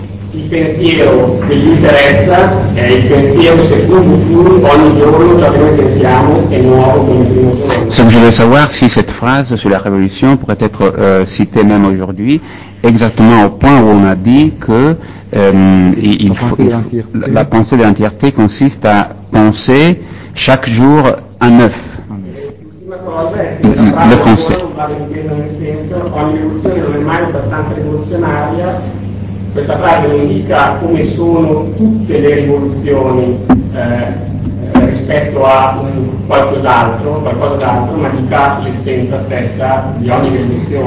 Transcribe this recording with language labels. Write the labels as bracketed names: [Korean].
[Italian] il pensiero che gli interessa è il pensiero secondo cui ogni giorno ciò che noi pensiamo è nuovo come primo giorno. [French] Je voulais savoir si cette phrase sur la révolution pourrait être citée même aujourd'hui, exactement au point où on a dit que la pensée de l'entièreté consiste à penser chaque jour à neuf. [Italian] L'ultima cosa è che la frase non va ripresa nel senso ogni rivoluzione non è mai abbastanza rivoluzionaria. Questa frase indica come sono tutte le rivoluzioni rispetto a qualcos'altro, qualcosa d'altro, ma indica l'essenza stessa di ogni rivoluzione.